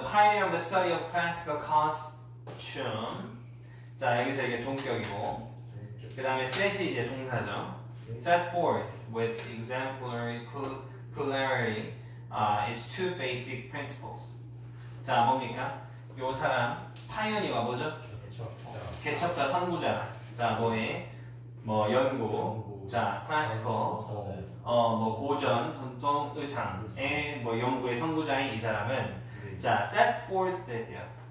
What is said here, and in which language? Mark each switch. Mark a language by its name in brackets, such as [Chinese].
[English] The pioneer of the study of classical costume. [Korean] 자, 여기서 이게 동격이고. 그 다음에 셋이 이제 동사죠. [English] Set forth with exemplary clarity is two basic principles. [Korean] 자, 뭡니까? 요 사람 파이어니어가 뭐죠? 개척자. 개척자, 선구자. 자, 뭐에? 뭐 연구. 자, 클래시컬. 어, 뭐 고전, 전통 의상의 뭐 연구의 선구자인 이 사람은 자, set forth 했대요.